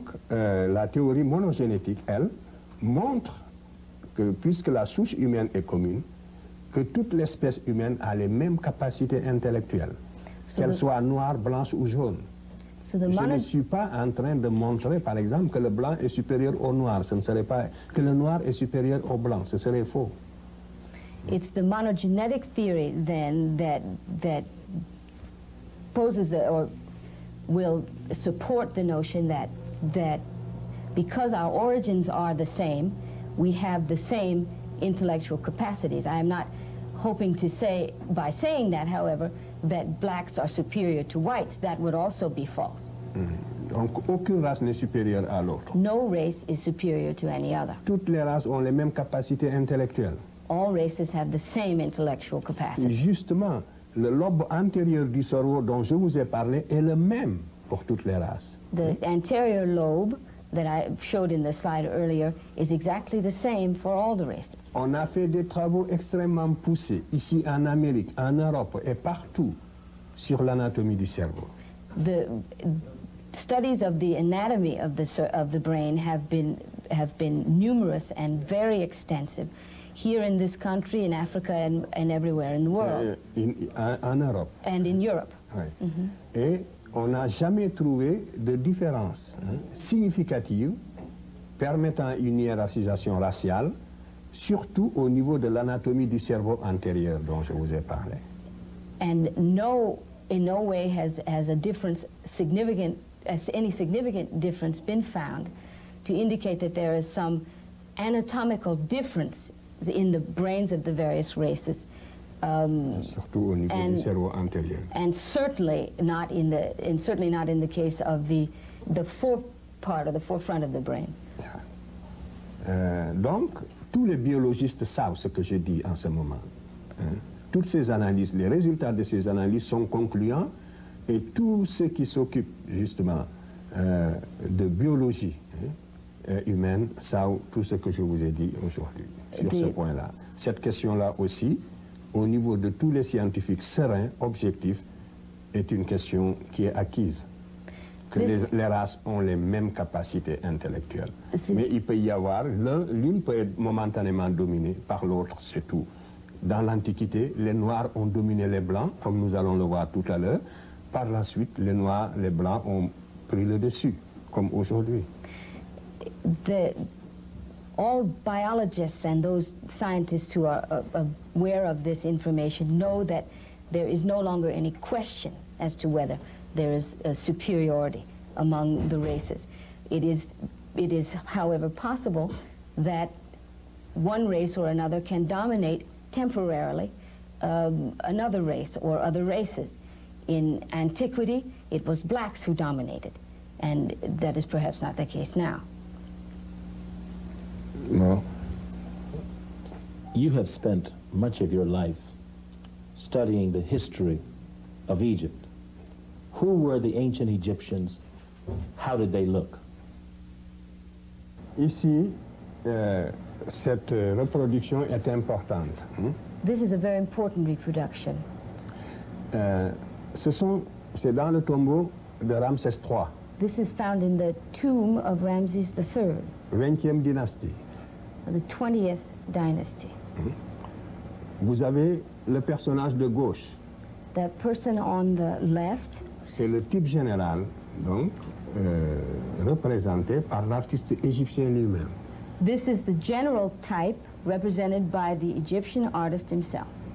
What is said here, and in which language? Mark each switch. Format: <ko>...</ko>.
<fr>La théorie monogénétique, elle, montre que puisque la souche humaine est commune, que toute l'espèce humaine a les mêmes capacités intellectuelles, so qu'elle soit noire, blanche ou jaune. Je ne suis pas en train de montrer, par exemple, que le blanc est supérieur au noir. Ce ne serait pas que le noir est supérieur au blanc. Ce serait faux.</fr> <en>It's the monogenetic theory then that poses the, or will support the notion that because our origins are the same, we have the same intellectual capacities. I am not hoping to say, by saying that, however, that blacks are superior to whites, that would also be false.</en> <fr>Donc, aucune race n'est supérieure à l'autre.</fr> <en>No race is superior to any other.</en> <fr>Toutes les races ont les mêmes capacités intellectuelles.</fr> <en>All races have the same intellectual capacity.</en> <fr>Justement, le lobe antérieur du cerveau dont je vous ai parlé est le même pour toutes les races.</fr> <en>The anterior lobe that I showed in the slide earlier is exactly the same for all the races.</en> <fr>On a fait des travaux extrêmement poussés ici en Amérique, en Europe et partout sur l'anatomie du cerveau.</fr> <en>The studies of the anatomy of the brain have been numerous and very extensive here in this country, in Africa, and everywhere in the world.</en> <fr>En Europe.</fr> <en>And in Europe.</en> <fr>Oui. Mm-hmm. On n'a jamais trouvé de différence significative permettant une hiérarchisation raciale, surtout au niveau de l'anatomie du cerveau antérieur dont je vous ai parlé.</fr> <en>And no, in no way has a difference significant, has any significant difference been found to indicate that there is some anatomical difference in the brains of the various races.</en> <fr>Surtout au niveau du cerveau antérieur.</fr> <en>And certainly not in the and certainly not in the case of the fore part or the forefront of the brain.</en> <fr>Donc tous les biologistes savent ce que je dis en ce moment. Toutes ces analyses, les résultats de ces analyses sont concluants et tous ceux qui s'occupent justement de biologie humaine savent tout ce que je vous ai dit aujourd'hui sur ce point-là. Cette question-là aussi, au niveau de tous les scientifiques sereins, objectifs, est une question qui est acquise. Que les races ont les mêmes capacités intellectuelles. Mais il peut y avoir, l'une peut être momentanément dominée par l'autre, c'est tout. Dans l'Antiquité, les Noirs ont dominé les Blancs, comme nous allons le voir tout à l'heure. Par la suite, les Noirs, les Blancs ont pris le dessus, comme aujourd'hui.</fr> <en>All biologists and those scientists who are aware of this information know that there is no longer any question as to whether there is a superiority among the races. It is, however, possible that one race or another can dominate temporarily another race or other races. In antiquity, it was blacks who dominated, and that is perhaps not the case now. No. You have spent much of your life studying the history of Egypt. Who were the ancient Egyptians? How did they look?</en> <fr>Ici, cette reproduction est importante.</fr> <en>This is a very important reproduction.</en> <fr>C'est dans le tombeau de Ramsès III.</fr> <en>This is found in the tomb of Ramses III.</en> <fr>20e dynastie.</fr> <en>The 20th dynasty.</en> <fr>Vous avez le personnage de gauche.</fr> <en>The person on the left.</en> <fr>C'est le type général, donc, représenté par l'artiste égyptien lui-même.</fr> <en>This is the general type represented by the Egyptian artist himself.</en>